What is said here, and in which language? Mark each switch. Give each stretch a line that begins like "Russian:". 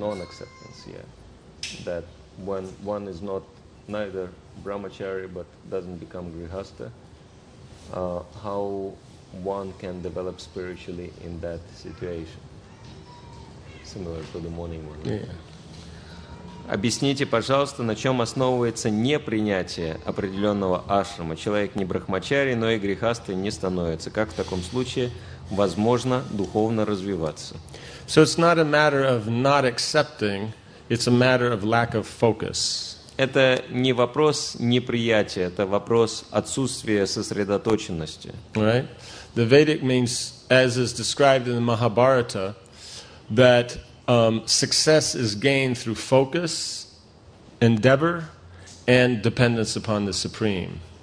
English: Non-acceptance, yeah. That when one is not neither brahmachari but doesn't become grihastha, how one can develop spiritually in that situation, similar to the morning one.
Russian: Объясните, пожалуйста, на чем основывается непринятие определенного ашрама. Человек не брахмачари, но и грихастха не становится. Как в таком случае возможно духовно развиваться?
English: So it's not a matter of not accepting, it's a matter of lack of focus.
Russian: Это не вопрос неприятия, это вопрос отсутствия сосредоточенности.
English: Right? The Vedic means, as is described in the Mahabharata, that success is gained through focus, endeavor, and dependence upon the Supreme.